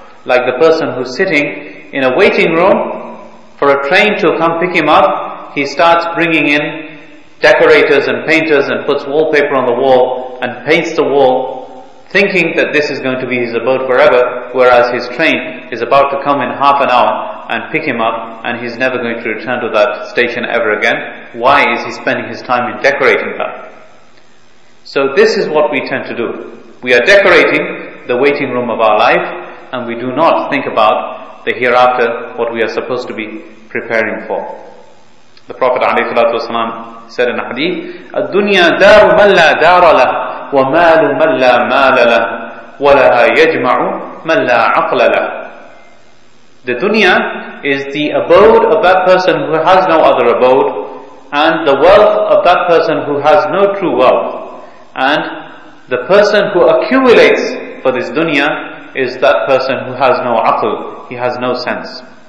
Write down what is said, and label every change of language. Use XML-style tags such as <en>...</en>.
<en>Like the person who's sitting in a waiting room for a train to come pick him up, he starts bringing in decorators and painters and puts wallpaper on the wall and paints the wall, thinking that this is going to be his abode forever, whereas his train is about to come in half an hour and pick him up and he's never going to return to that station ever again. Why is he spending his time in decorating that? So this is what we tend to do. We are decorating the waiting room of our life and we do not think about the hereafter, what we are supposed to be preparing for. The Prophet ﷺ said in a hadith,</en> <ar>الدنيا دار من لا دار له ومال من لا مال له ولها يجمع من لا عقل له.</ar> <en>The dunya is the abode of that person who has no other abode, and the wealth of that person who has no true wealth. And the person who accumulates for this dunya is that person who has no aql, he has no sense.</en>